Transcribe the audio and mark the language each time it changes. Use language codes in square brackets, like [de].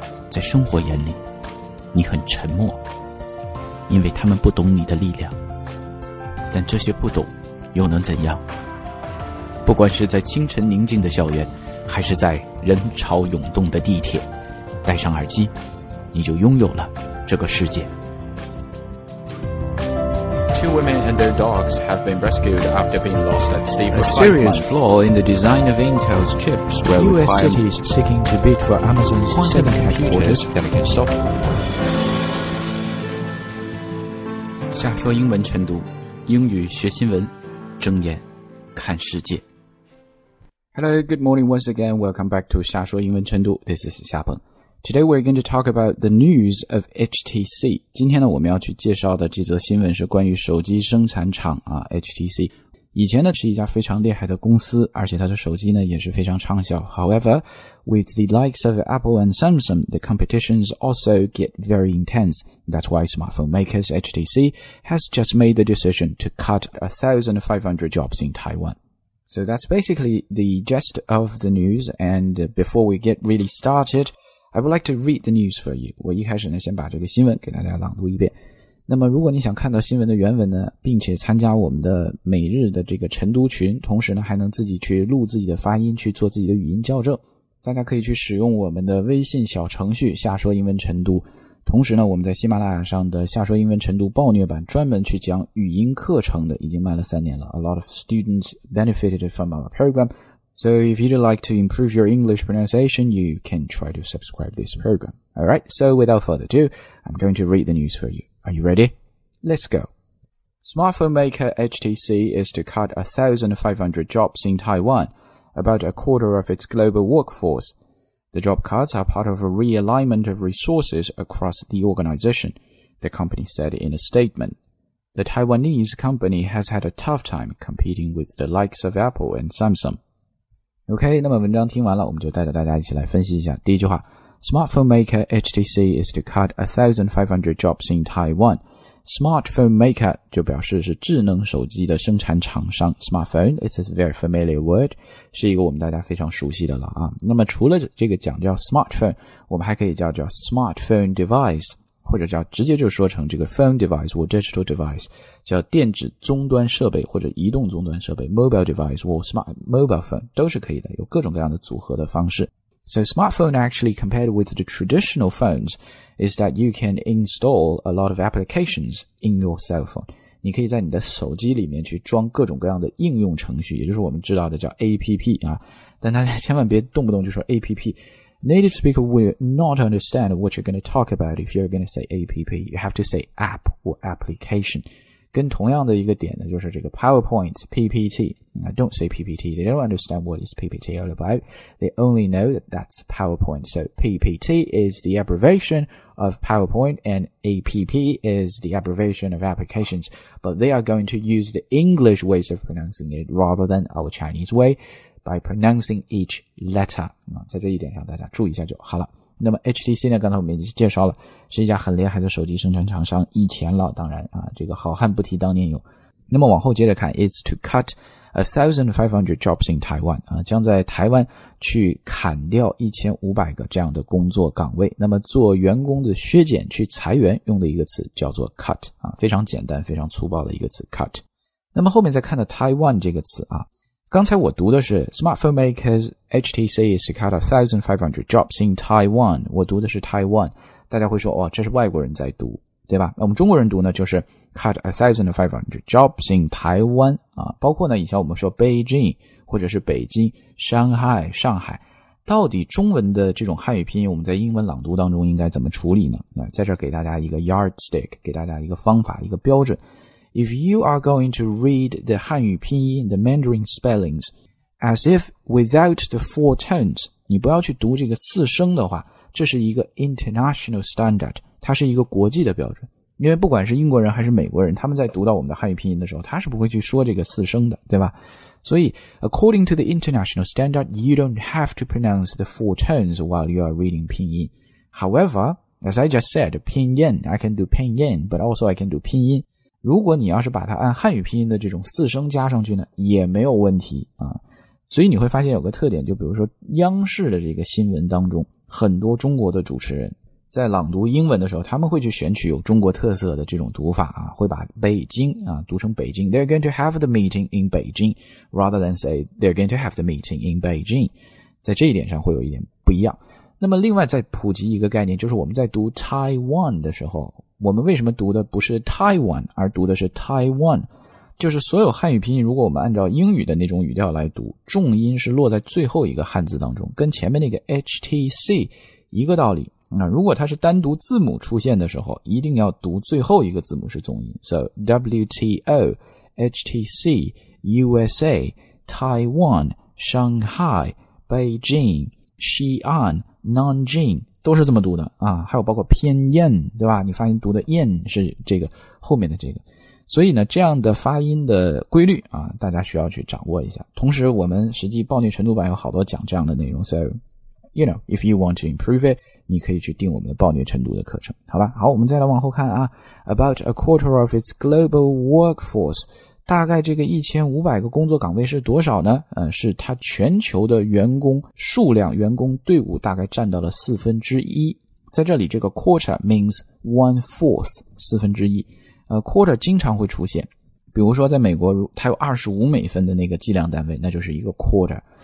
[zh] 在生活眼里，你很沉默，因为他们不懂你的力量。但这些不懂又能怎样？不管是在清晨宁静的校园，还是在人潮涌动的地铁，戴上耳机，你就拥有了这个世界。 [en] Two women and their dogs have been rescued after being lost at sea for 5 months. A serious flaw in the design of Intel's chips where U.S. cities seeking to bid for Amazon's quantum computers can be solved. [zh] 瞎说英文晨读，英语学新闻，睁眼看世界。 [en] Hello, good morning once again. Welcome back to 瞎说英文晨读。 This is 夏鹏。 Today we're going to talk about the news of HTC. [zh] 今天呢我们要去介绍的这则新闻是关于手机生产厂啊 ,HTC。以前呢是一家非常厉害的公司，而且它的手机呢也是非常畅销。 [en] However, with the likes of Apple and Samsung, the competitions also get very intense. That's why smartphone makers HTC has just made the decision to cut 1,500 jobs in Taiwan. So that's basically the gist of the news, and before we get really started, I would like to read the news for you. [zh] 我一开始呢先把这个新闻给大家朗读一遍。那么如果你想看到新闻的原文呢，并且参加我们的每日的这个晨读群，同时呢还能自己去录自己的发音，去做自己的语音校正，大家可以去使用我们的微信小程序瞎说英文晨读。同时呢我们在喜马拉雅上的瞎说英文晨读暴虐版专门去讲语音课程的已经卖了三年了。 [en] A lot of students benefited from our program. So if you'd like to improve your English pronunciation, you can try to subscribe this program. Alright, so without further ado, I'm going to read the news for you. Are you ready? Let's go. Smartphone maker HTC is to cut 1,500 jobs in Taiwan, about a quarter of its global workforce. The job cuts are part of a realignment of resources across the organization, the company said in a statement. The Taiwanese company has had a tough time competing with the likes of Apple and Samsung. [zh] OK, 那么文章听完了，我们就带着大家一起来分析一下。第一句话， [en] Smartphone maker HTC is to cut 1,500 jobs in Taiwan. [zh] Smartphone maker 就表示是智能手机的生产厂商。 [en] Smartphone is a very familiar word, [zh] 是一个我们大家非常熟悉的了啊。那么除了这个讲叫 smartphone, 我们还可以叫 smartphone device, 或者叫直接就说成这个 [en] phone device or digital device, [zh] 叫电子终端设备或者移动终端设备 , [en] mobile device or smart mobile phone, [zh] 都是可以的，有各种各样的组合的方式。 [en] So smartphone actually compared with the traditional phones is that you can install a lot of applications in your cell phone. [zh] 你可以在你的手机里面去装各种各样的应用程序，也就是我们知道的叫 APP 啊。但大家千万别动不动就说 APP. [en] Native speaker will not understand what you're going to talk about if you're going to say APP. You have to say app or application. [zh] 跟同样的一个点呢，就是这个 PowerPoint, PPT. [en] I don't say PPT. They don't understand what is PPT all about. They only know that that's PowerPoint. So PPT is the abbreviation of PowerPoint and APP is the abbreviation of applications. But they are going to use the English ways of pronouncing it rather than our Chinese way by pronouncing each letter. [zh] 在这一点上大家注意一下就好了。那么 HTC 呢，刚才我们已经介绍了，是一家很厉害的手机生产厂商，以前了，当然啊，这个好汉不提当年勇。那么往后接着看 ， [en] is to cut 1,500 jobs in Taiwan [zh] 啊，将在台湾去砍掉1500个这样的工作岗位。那么做员工的削减，去裁员用的一个词叫做 cut 啊，非常简单，非常粗暴的一个词 cut。那么后面再看到 Taiwan 这个词啊。刚才我读的是 [en] smartphone makers HTC is to cut 1,500 jobs in Taiwan. [zh] 我读的是 Taiwan. 大家会说，哦，这是外国人在读，对吧？那我们中国人读呢，就是 [en] cut 1,500 jobs in Taiwan. [zh] 啊，包括呢，以前我们说 Beijing 或者是北京、Shanghai、上海，到底中文的这种汉语拼音，我们在英文朗读当中应该怎么处理呢？那在这给大家一个 yardstick, 给大家一个方法，一个标准。 [en] If you are going to read the 汉语拼音 the Mandarin spellings, as if without the four tones, [zh] 你不要去读这个四声的话，这是一个 [en] international standard, [zh] 它是一个国际的标准。因为不管是英国人还是美国人，他们在读到我们的汉语拼音的时候，他是不会去说这个四声的，对吧？ [en] 所以 according to the international standard, you don't have to pronounce the four tones while you are reading 拼音。However, As I just said, 拼音 I can do 拼音 but also I can do 拼音。 [zh] 如果你要是把它按汉语拼音的这种四声加上去呢也没有问题啊。所以你会发现有个特点，就比如说央视的这个新闻当中，很多中国的主持人在朗读英文的时候，他们会去选取有中国特色的这种读法啊，会把北京啊读成北京。 [en] They're going to have the meeting in Beijing, rather than say they're going to have the meeting in Beijing. [zh] 在这一点上会有一点不一样。那么另外再普及一个概念，就是我们在读 Taiwan 的时候，我们为什么读的不是 Taiwan, 而读的是 Taiwan? 就是所有汉语拼音，如果我们按照英语的那种语调来读，重音是落在最后一个汉字当中，跟前面那个 HTC 一个道理。那如果它是单独字母出现的时候，一定要读最后一个字母是重音。 So, WTO, HTC, USA, Taiwan, Shanghai, Beijing, Xi'an, Nanjing, 都是这么读的啊。还有包括偏燕，对吧，你发音读的燕是这个后面的这个。所以呢这样的发音的规律啊大家需要去掌握一下。同时我们实际暴虐程度版有好多讲这样的内容， [en] So,You know, if you want to improve it, [zh] 你可以去订我们的暴虐程度的课程。好吧，好，我们再来往后看啊。 [en] About a quarter of its global workforce, [zh] 大概这个1500个工作岗位是多少呢？是它全球的员工数量，员工队伍大概占到了四分之一。在这里这个 [en] quarter means one fourth, [zh] 四分之一。 quarter 经常会出现。比如说在美国它有25美分的那个计量单位，那就是一个 quarter。